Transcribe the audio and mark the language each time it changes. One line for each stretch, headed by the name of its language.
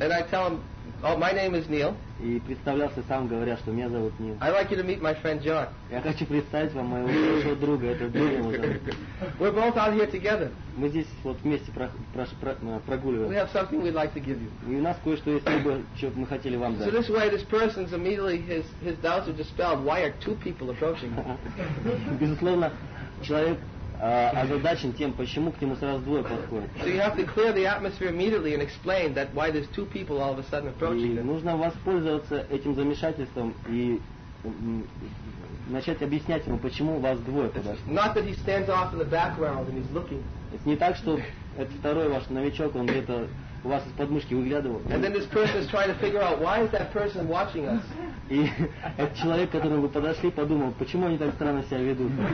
English: And I tell him, oh, my name is Neil.
Russian: И представлялся сам, говоря, что меня зовут Нил.
English: I'd like you to meet my friend John.
Russian: Я хочу представить вам моего хорошего друга, это Джон.
English: We're both out here together.
Russian: Мы здесь вот вместе прогуливаемся.
English: We have something we'd like to give you.
Russian: И у нас кое-что есть, что мы хотели вам дать.
English: So this way, this person's immediately his doubts are dispelled. Why are two people approaching?
Russian: Безусловно, человек озадачен тем, почему к нему сразу двое подходят.
English: So you have to clear the atmosphere immediately and explain that why there's two people all of a sudden approaching.
Russian: И нужно воспользоваться этим замешательством и начать объяснять ему, почему вас двое подошли.
English: Not that he stands off in the background and he's looking.
Russian: Это не так, что этот второй ваш новичок, он где-то у вас из подмышки выглядывал.
English: And then this person is trying to figure out why is that person watching us.
Russian: И этот человек, к которому вы подошли, подумал, почему они так странно себя ведут.